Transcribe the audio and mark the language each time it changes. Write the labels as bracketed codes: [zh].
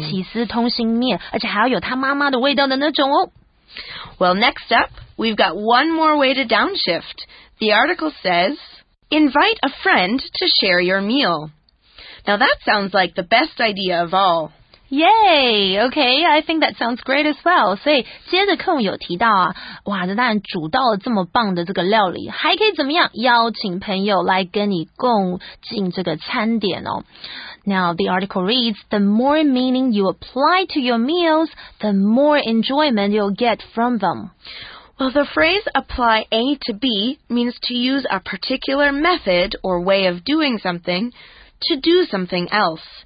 [zh] 起司通心面，而且还要有他妈妈的味道的那种哦。 [en] Well, next up, we've got one more way to downshift. The article says, invite a friend to share your meal. Now that sounds like the best idea of all. Yay! Okay, I think that sounds great as well. [zh] 所以接着课文有提到啊，哇，这当然煮到了这么棒的这个料理，还可以怎么样？邀请朋友来跟你共进这个餐点哦。 [en] Now, the article reads, the more meaning you apply to your meals, the more enjoyment you'll get from them. Well, the phrase apply A to B means to use a particular method or way of doing something to do something else.